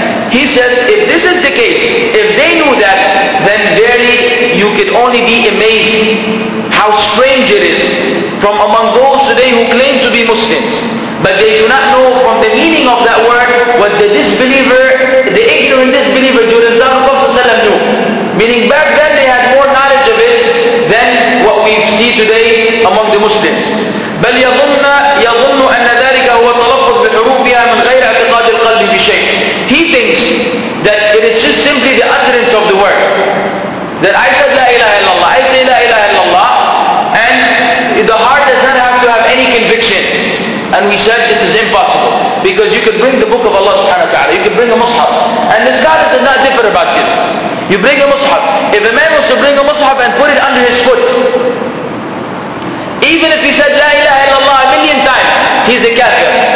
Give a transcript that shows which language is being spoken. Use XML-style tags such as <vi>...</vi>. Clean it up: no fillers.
<en>He says, if this is the case, if they knew that, then verily you could only be amazed how strange it is from among those today who claim to be Muslims. But they do not know from the meaning of that word what the disbeliever, the ignorant disbeliever during the time of the Prophet ﷺ knew. Meaning back then they had more knowledge of it than what we see today among the Muslims.</en> <ar>بل يظن أن ذلك هو تلفظ بحروفها من غير اعتقاد القلب بشيء.</ar> <en>He thinks that it is just simply the utterance of the word. That I said</en> <ar>لا إله إلا الله.</ar> <en>I say لا إله إلا الله. And the heart does not have to have any conviction. And we said this is impossible. Because you could bring the book of Allah subhanahu wa ta'ala. You could bring a mushaf. And the scholars did not differ about this. You bring a mushaf. If a man was to bring a mushaf and put it under his foot, even if he said La ilaha illallah a million times, he's a kafir.</en>